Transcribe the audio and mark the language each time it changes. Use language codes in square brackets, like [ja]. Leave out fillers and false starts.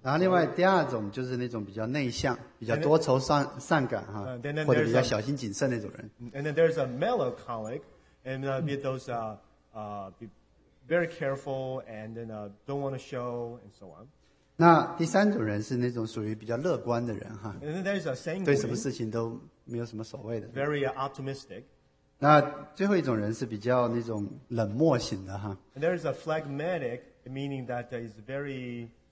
[zh] 然后另外第二种就是那种比较内向比较多愁 善感哈 [en] then [zh] 或者比较小心谨慎那种人 [en] and then there's a melancholic and be those be very careful and then don't want to show and so on [zh] 那第三种人是那种属于比较乐观的人哈 [en] and then there's a sanguine [zh] 对什么事情都没有什么所谓的 [en] very optimistic [zh] 那最后一种人是比较那种冷漠型的哈 [en] and there's a phlegmatic meaning that is veryCool.